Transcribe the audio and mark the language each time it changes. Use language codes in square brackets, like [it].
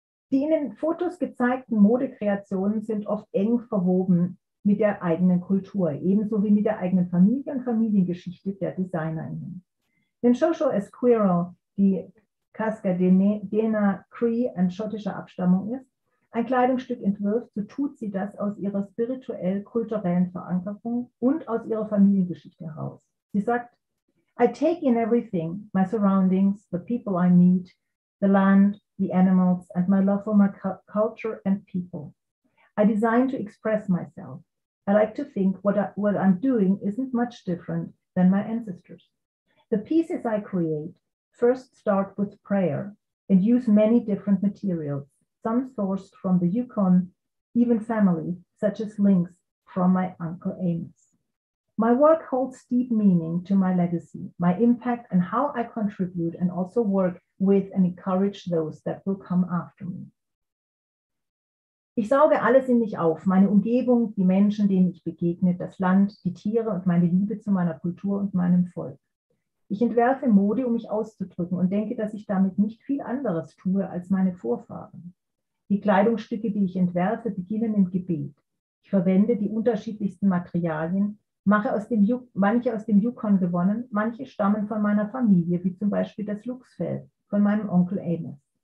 [de] Die in den Fotos gezeigten Modekreationen sind oft eng verwoben mit der eigenen Kultur, ebenso wie mit der eigenen Familie und Familiengeschichte der DesignerInnen. Denn Shosho Esquiro, die Casca Dena Cree an schottischer Abstammung ist, ein Kleidungsstück entwirft, so tut sie das aus ihrer spirituell-kulturellen Verankerung und aus ihrer Familiengeschichte heraus. Sie sagt, [en] I take in everything, my surroundings, the people I meet, the land, the animals, and my love for my culture and people. I design to express myself. I like to think what I'm doing isn't much different than my ancestors. The pieces I create first start with prayer and use many different materials, some sourced from the Yukon, even family, such as links from my Uncle Amos. My work holds deep meaning to my legacy, my impact, and how I contribute and also work with and encourage those that will come after me. [de] Ich sauge alles in mich auf, meine Umgebung, die Menschen, denen ich begegne, das Land, die Tiere und meine Liebe zu meiner Kultur und meinem Volk. Ich entwerfe Mode, um mich auszudrücken und denke, dass ich damit nicht viel anderes tue als meine Vorfahren. Die Kleidungsstücke, die ich entwerfe, beginnen im Gebet. Ich verwende die unterschiedlichsten Materialien, manche aus dem Yukon gewonnen, manche stammen von meiner Familie, wie zum Beispiel das Luchsfell von meinem Onkel Amos.